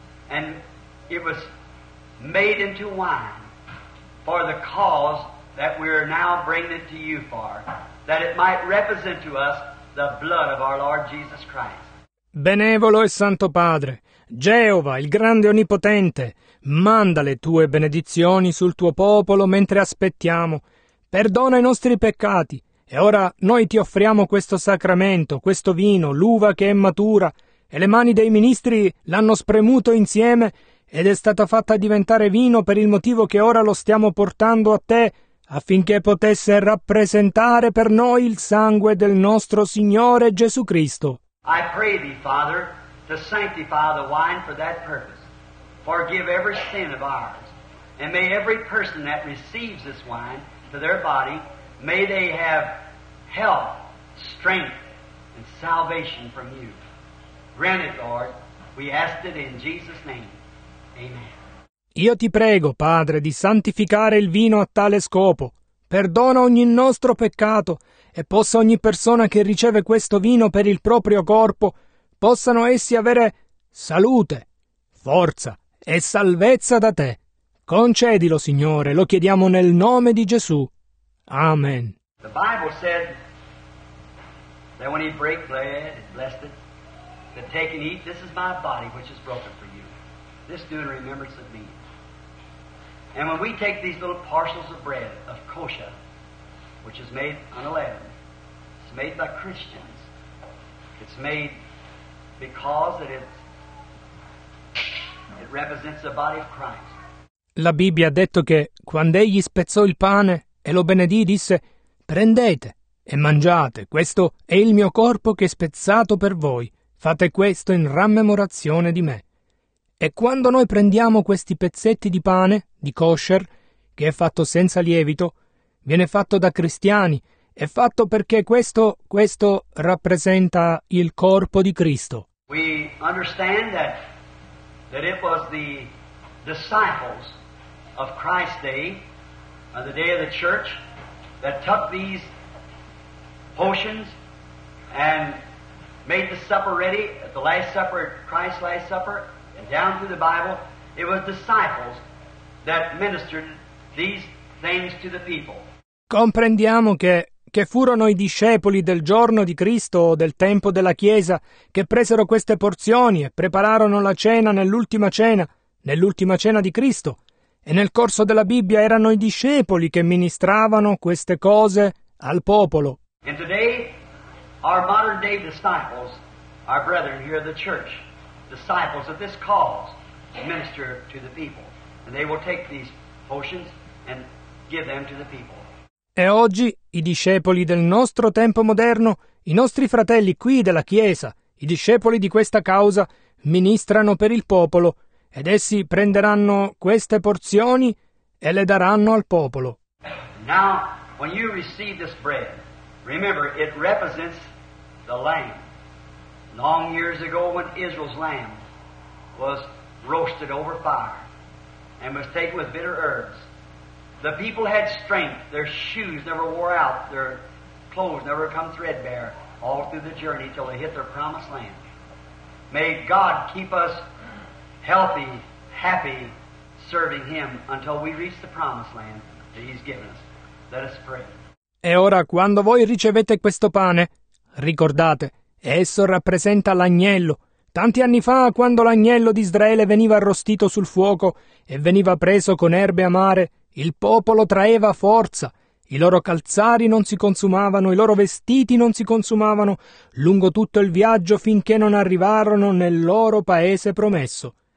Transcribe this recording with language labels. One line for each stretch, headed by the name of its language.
English: And it was made into wine for the cause that we're now bringing it to you for, that it might represent to us the blood of our Lord Jesus Christ.
Italian: Benevolo e Santo Padre, Geova, il grande onnipotente, manda le tue benedizioni sul tuo popolo mentre aspettiamo. Perdona i nostri peccati. E ora noi ti offriamo questo sacramento, questo vino, l'uva che è matura, e le mani dei ministri l'hanno spremuto insieme ed è stata fatta diventare vino per il motivo che ora lo stiamo portando a te, affinché potesse rappresentare per noi il sangue del nostro Signore Gesù Cristo.
English: I pray thee, Father, to sanctify the wine for that purpose. Forgive every sin of ours. And may every person that receives this wine to their body, may they have health, strength, and salvation from you. Grant it, Lord. We ask it in Jesus' name. Amen.
Italian: Io ti prego, Padre, di santificare il vino a tale scopo. Perdona ogni nostro peccato e possa ogni persona che riceve questo vino per il proprio corpo, possano essi avere salute, forza e salvezza da te. Concedilo, Signore, lo chiediamo nel nome di Gesù. Amen.
English: The Bible said that when he break bread and blessed it, that take and eat, this is my body which is broken for you. This do in remembrance of me. And when we take these little parcels of bread, of kosher, which is made unleavened, it's made by Christians, it's made because it represents the body of Christ.
Italian: La Bibbia ha detto che, quando egli spezzò il pane e lo benedì, disse, prendete e mangiate, questo è il mio corpo che è spezzato per voi, fate questo in rammemorazione di me. E quando noi prendiamo questi pezzetti di pane, di kosher, che è fatto senza lievito, viene fatto da cristiani, è fatto perché questo rappresenta il corpo di Cristo.
English: We understand that it was the disciples of Christ's day, on the day of the church, that took these potions and made the supper ready at the Last Supper, Christ's Last Supper. Down through the Bible, it was disciples that ministered these things to the people.
Italian: Comprendiamo che furono i discepoli del giorno di Cristo o del tempo della Chiesa che presero queste porzioni e prepararono la cena nell'ultima cena di Cristo. E nel corso della Bibbia erano i discepoli che ministravano queste cose al popolo.
English: And today, our modern day disciples, our brethren here at the church, disciples of this cause minister to the people, and they will take these potions and give them to the people.
Italian: E oggi i discepoli del nostro tempo moderno, i nostri fratelli qui della Chiesa, i discepoli di questa causa ministrano per il popolo, ed essi prenderanno queste porzioni e le daranno al popolo.
English: Now, when you receive this bread, remember it represents the Lamb. Long years ago, when Israel's lamb was roasted over fire and was taken with bitter herbs, the people had strength. Their shoes never wore out. Their clothes never come threadbare all through the journey till they hit their promised land. May God keep us healthy, happy, serving Him until we reach the promised land that He's given us. Let us pray.
Italian: E ora, quando voi ricevete questo pane, ricordate. Esso rappresenta l'agnello. Tanti anni fa, quando l'agnello di Israele veniva arrostito sul fuoco e veniva preso con erbe amare, il popolo traeva forza. I loro calzari non si consumavano, i loro vestiti non si consumavano lungo tutto il viaggio finché non arrivarono nel loro paese promesso.